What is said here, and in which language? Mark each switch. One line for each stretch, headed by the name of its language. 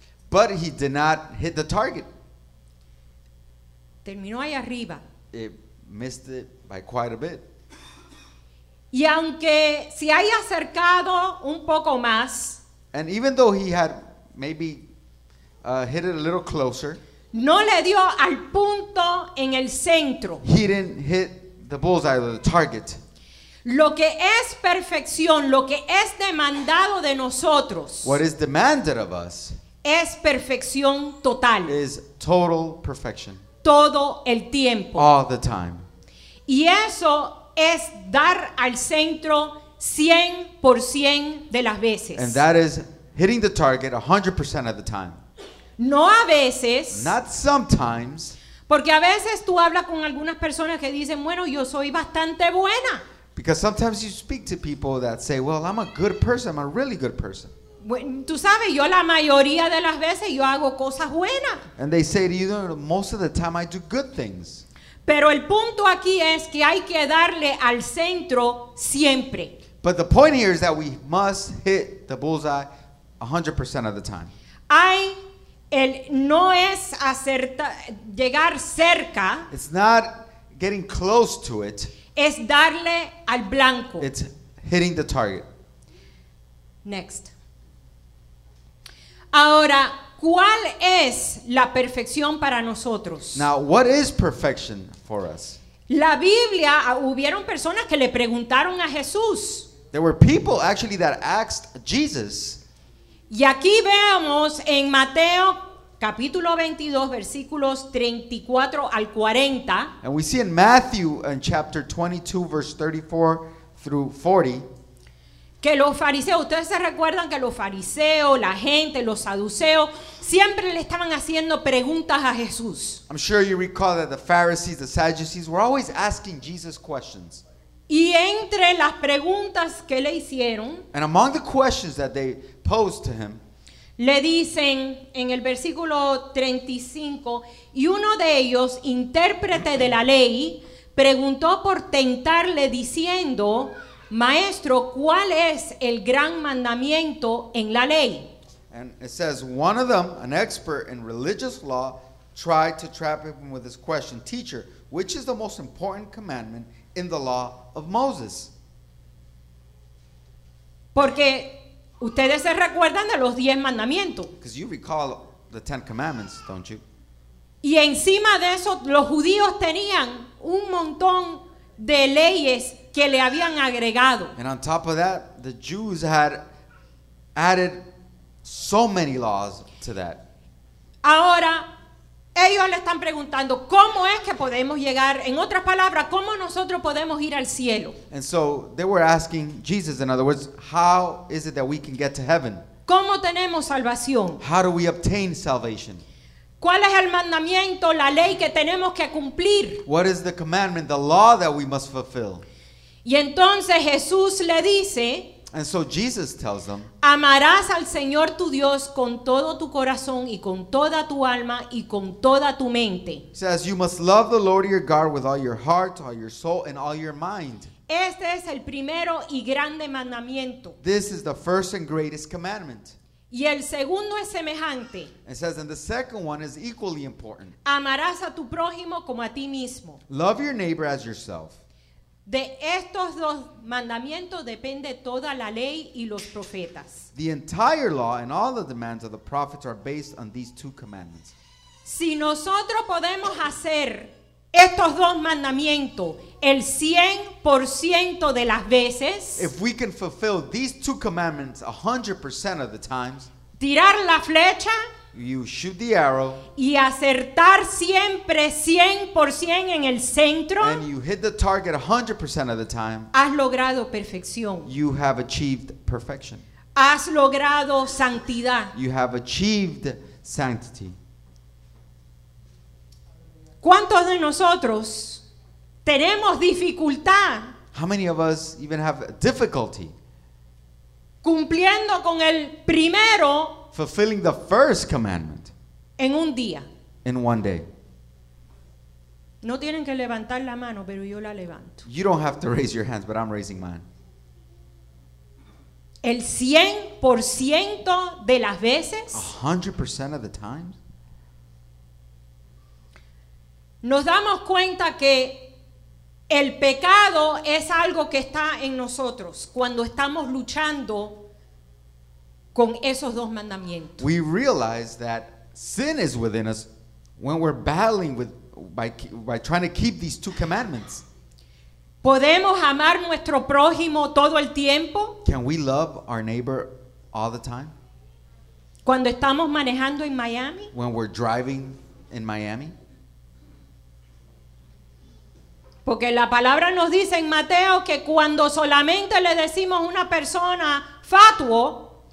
English: But he did not hit the target.
Spanish: Terminó ahí arriba.
English: It missed it by quite a bit.
Spanish: Y aunque se haya acercado un poco más,
English: and even though he had maybe hit it a little closer,
Spanish: no le dio al punto en el centro.
English: He didn't hit the bullseye or the target.
Spanish: Lo que es perfección, lo que es demandado de nosotros,
English: what is demanded of us,
Spanish: es perfección total.
English: Is total perfection.
Spanish: Todo el tiempo.
English: All the time.
Spanish: Y eso es dar al centro 100% de las veces.
English: And that is hitting the target 100% of the time.
Spanish: No a veces.
English: Not sometimes.
Spanish: Porque a veces tú hablas con algunas personas que dicen, bueno, yo soy bastante buena.
English: Because sometimes you speak to people that say, well, I'm a good person, I'm a really good person.
Spanish: Bueno, tú sabes, yo la mayoría de las veces yo hago cosas buenas.
English: And they say to you, most of the time I do good things.
Spanish: Pero el punto aquí es que hay que darle al centro siempre.
English: But the point here is that we must hit the bullseye 100% of the time.
Spanish: Hay el no es acertar llegar cerca.
English: It's not getting close to it.
Spanish: Es darle al blanco.
English: It's hitting the target. Next.
Spanish: Ahora, ¿cuál es la perfección para nosotros?
English: Now, what is perfection for us?
Spanish: La Biblia, hubieron personas que le preguntaron a Jesús.
English: There were people actually that asked Jesus.
Spanish: Y aquí vemos en Mateo capítulo 22 versículos 34 al 40.
English: And we see in Matthew in chapter 22 verse 34 through 40.
Spanish: Que los fariseos, ustedes se recuerdan que los fariseos, la gente, los saduceos, siempre le estaban haciendo preguntas a Jesús.
English: I'm sure you recall that the Pharisees, the Sadducees were always asking Jesus questions.
Spanish: Y entre las preguntas que le hicieron,
English: and among the questions that they posed to him,
Spanish: le dicen en el versículo 35, y uno de ellos, intérprete de la ley, preguntó por tentarle diciendo, Maestro, ¿cuál es el gran mandamiento en la ley?
English: And it says, one of them, an expert in religious law, tried to trap him with this question, Teacher, which is the most important commandment in the law of Moses?
Spanish: Porque ustedes se recuerdan de los 10 mandamientos.
English: Because you recall the 10 commandments, don't you?
Spanish: Y encima de eso, los judíos tenían un montón de leyes que le habían agregado.
English: And on top of that, the Jews had added so many laws to that.
Spanish: Ahora, ellos le están preguntando, ¿cómo es que podemos llegar? En otras palabras, ¿cómo nosotros podemos ir al cielo?
English: And so, they were asking Jesus, in other words, how is it that we can get to heaven?
Spanish: ¿Cómo tenemos salvación?
English: How do we obtain salvation?
Spanish: ¿Cuál es el mandamiento, la ley que tenemos que cumplir?
English: What is the commandment, the law that we must fulfill?
Spanish: Y entonces Jesús le dice,
English: and so Jesus tells them,
Spanish: amarás al Señor tu Dios con todo tu corazón y con toda tu alma y con toda tu mente.
English: He says, you must love the Lord your God with all your heart, all your soul, and all your mind.
Spanish: Este es el primero y grande mandamiento.
English: This is the first and greatest commandment.
Spanish: Y el segundo es semejante.
English: It says, and the second one is equally important.
Spanish: Amarás a tu prójimo como a ti mismo.
English: Love your neighbor as yourself.
Spanish: De estos dos mandamientos depende toda la ley y los profetas.
English: The entire law and all the demands of the prophets are based on these two commandments.
Spanish: Si nosotros podemos hacer estos dos mandamientos el 100% de las veces,
English: if we can fulfill these two commandments 100% of the times,
Spanish: tirar la flecha,
English: you shoot the arrow,
Spanish: y acertar siempre 100% en el centro,
English: and you hit the target 100% of the time,
Spanish: has logrado perfección,
English: you have achieved perfection,
Spanish: has logrado santidad,
English: you have achieved sanctity.
Spanish: ¿Cuántos de nosotros tenemos dificultad?
English: How many of us even have difficulty
Spanish: cumpliendo con el primero,
English: fulfilling the first commandment,
Spanish: en un día,
English: in one day?
Spanish: No tienen que levantar la mano, pero yo la levanto.
English: You don't have to raise your hands, but I'm raising mine.
Spanish: El 100% de las veces,
English: 100% of the times,
Spanish: nos damos cuenta que el pecado es algo que está en nosotros cuando estamos luchando con esos dos mandamientos.
English: We realize that sin is within us when we're battling with by trying to keep these two commandments.
Spanish: ¿Podemos amar nuestro prójimo todo el tiempo?
English: Can we love our neighbor all the time?
Spanish: ¿Cuando estamos manejando en Miami?
English: When we're driving in Miami?
Spanish: Porque la palabra nos dice en Mateo que cuando solamente le decimos una persona fatuo,